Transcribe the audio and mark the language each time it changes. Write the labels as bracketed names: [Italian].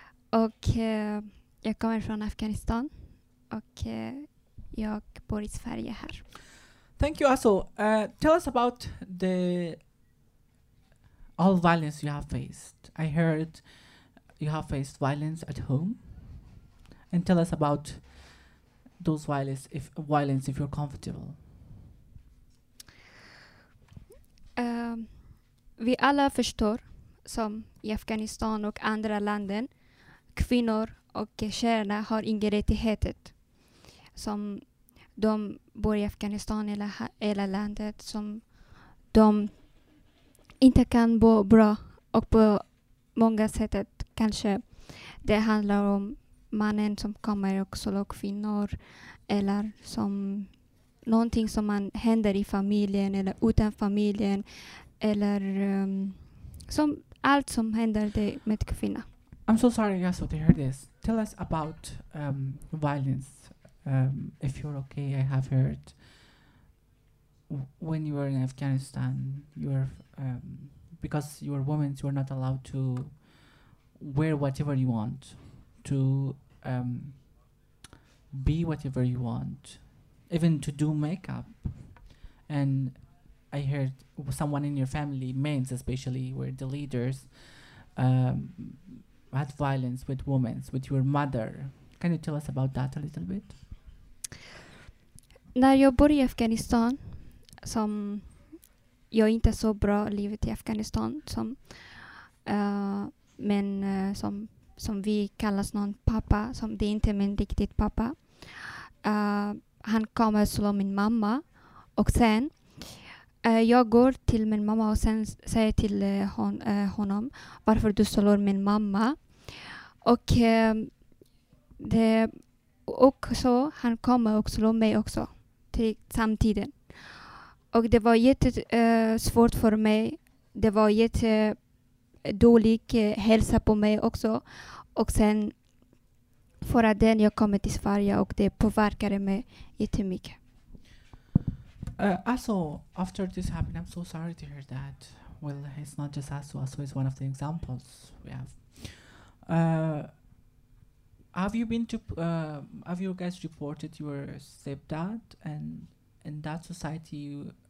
[Swedish] Och jag kommer från Afghanistan. Och... Jag bor I Sverige här. [English] Thank you, Aso. Tell us about the all violence you have faced. I heard you have faced violence at home. And tell us about those violence if you're comfortable. [Swedish] Vi alla förstår, som I Afghanistan och andra länder, kvinnor och tjejerna har ingen rättighet som de bor I Afghanistan eller hela landet som de inte kan bo bra och på många sätt kanske det handlar om mannen som kommer och slår kvinnor eller som någonting som man händer I familjen eller utan familjen eller som allt som händer det med kvinnor. [English] I'm so sorry, Yasuo, to hear this. Tell us about violence. If you're okay, I have heard when you were in Afghanistan, you were because you were women, you were not allowed to wear whatever you want, to be whatever you want, even to do makeup. And I heard someone in your family, men especially, were the leaders, had violence with women, with your mother. Can you tell us about that a little bit? [Swedish] När jag bor I Afghanistan som jag är inte så bra livet i Afghanistan som men som vi kallas någon pappa, som det är inte min riktigt pappa. Han kommer att slå min mamma och sen jag går till min mamma och sen säger till honom varför du slår min mamma. Och det och så han kommer och slår mig också till samtidigt. Och det var jätte svårt för mig. Det var jätte dålig hälsa på mig också. Och sen för att den jag kommer till Sverige och det påverkade mig jättemycket. [English] Also, after this happened, I'm so sorry to hear that. Well, it's not just Asu. Asu is one of the examples we have. Have you been to? Have you guys reported your stepdad and in that society?